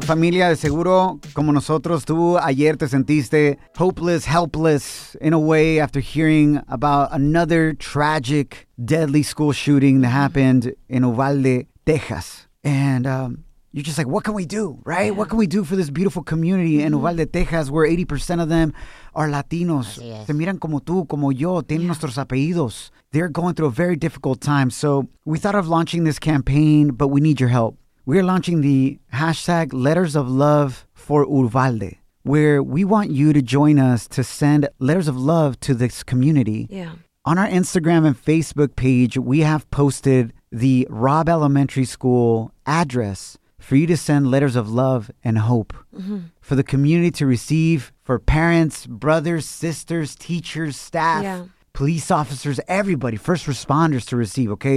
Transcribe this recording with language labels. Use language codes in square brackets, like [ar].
[es] familia, de seguro, como nosotros, tú ayer te sentiste [en] hopeless, helpless, in a way, after hearing about another tragic, deadly school shooting that happened in Uvalde, Texas. And you're just like, what can we do, right? Yeah. What can we do for this beautiful community in Uvalde, Texas, where 80% of them are Latinos? [es] Se miran como tú, como yo, tienen nuestros apellidos. [en] They're going through a very difficult time. So we thought of launching this campaign, but we need your help. We are launching the hashtag Letters of Love for Uvalde, where we want you to join us to send letters of love to this community. Yeah. On our Instagram and Facebook page, we have posted the Robb Elementary School address for you to send letters of love and hope for the community to receive, for parents, brothers, sisters, teachers, staff, police officers, everybody, first responders to receive, okay?